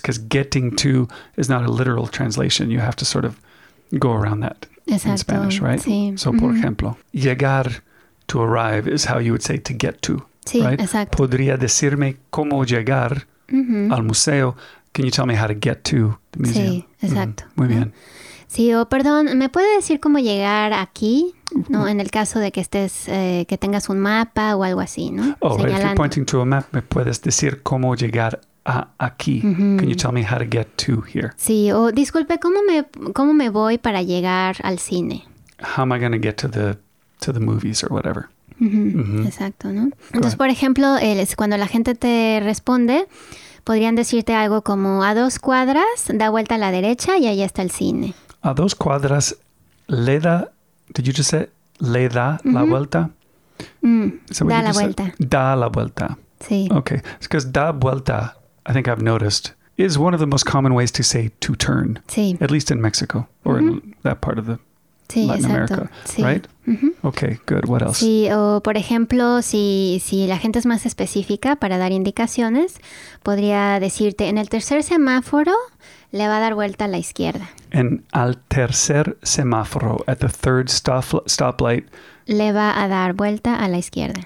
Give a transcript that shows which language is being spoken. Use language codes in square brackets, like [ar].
[en] Because getting to is not a literal translation. You have to sort of go around that. [es] Exacto. [en] In Spanish, right? [es] Sí. [en] So, [es] por mm-hmm. ejemplo, llegar, [en] to arrive, is how you would say to get to. [es] Sí, [en] right? [es] Exacto. ¿Podría decirme cómo llegar mm-hmm. al museo? [en] Can you tell me how to get to the museum? [es] Sí, exacto. Mm-hmm. Muy bien. Sí, o perdón, ¿me puede decir cómo llegar aquí? No, en el caso de que estés, que tengas un mapa o algo así, ¿no? [en] Oh, right. If you're pointing to a map, [es] ¿me puedes decir cómo llegar aquí? Mm-hmm. [en] Can you tell me how to get to here? [es] Sí, o disculpe, ¿cómo me voy para llegar al cine? [en] How am I going to get to the to the movies or whatever. [es] Exacto, ¿no? Entonces, por ejemplo, cuando la gente te responde, podrían decirte algo como, a dos cuadras, da vuelta a la derecha y ahí está el cine. A dos cuadras, le da, [en] did you just say, [es] le da la vuelta? Da la vuelta. Da la vuelta. Sí. [en] Okay, it's because da vuelta, I think I've noticed, is one of the most common ways to say to turn. [es] Sí. [en] At least in Mexico or in that part of the Latin America, right? Mm-hmm. Okay, good. What else? [es] Sí, o por ejemplo, si la gente es más específica para dar indicaciones, podría decirte, en el tercer semáforo le va a dar vuelta a la izquierda. En al tercer semáforo, [en] at the third stoplight, [es] le va a dar vuelta a la izquierda.